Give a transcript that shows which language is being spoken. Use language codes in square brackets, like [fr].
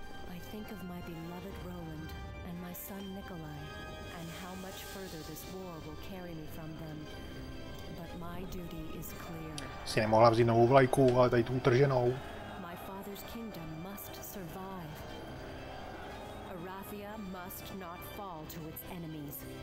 [en] I think of my beloved Roland and my son Nikolai and how much further this war will carry me from them. But my duty is clear. [cs] Si nemohla vzít novou vlajku, ale tady tu utrženou. [en] My father's kingdom must survive. Arathia must not fall to its enemies.